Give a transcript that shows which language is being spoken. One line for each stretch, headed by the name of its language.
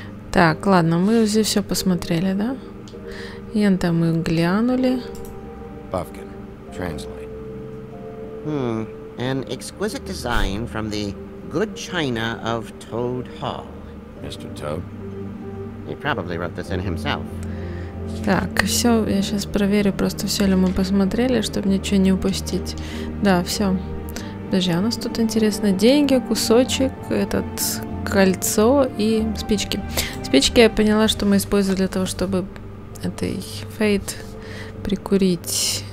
Russian: Так, ладно, мы уже все посмотрели, да? Янта мы глянули. Бавкин,
English: translate. An exquisite design from the good china of Toad Hall. Mr. Toad? He probably wrote this in himself.
Russian: Так, все, я сейчас проверю, просто все ли мы посмотрели, чтобы ничего не упустить. Да, все. Подожди, а у нас тут интересно. Деньги, кусочек, этот кольцо и спички. Спички я поняла, что мы использовали для того, чтобы этой фейт прикурить.